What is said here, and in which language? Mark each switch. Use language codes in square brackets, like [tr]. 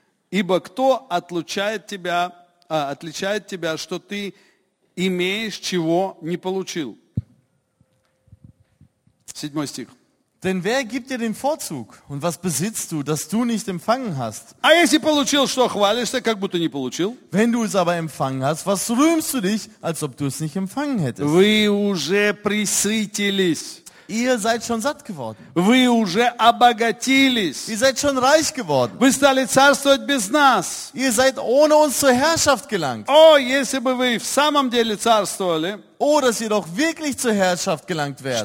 [ru] Ибо кто отличает тебя, что ты имеешь, чего не получил? Седьмой стих. [de] Denn wer gibt dir den Vorzug? Und was besitzt du, das du nicht empfangen hast? [ru] А если получил, что хвалишься, как будто не получил? [de] Wenn du es aber empfangen hast, was rühmst du dich, als ob du es nicht empfangen hättest? [ru] Вы уже присытились. [de] Ihr seid schon satt geworden. [ru] Вы уже обогатились. [de] Ihr seid schon reich geworden. [ru] Вы стали царствовать без нас. [de] Ihr seid ohne uns zur Herrschaft gelangt. [ru] О, если бы вы в самом деле царствовали. [de] О, dass ihr doch wirklich zur Herrschaft gelangt wärt.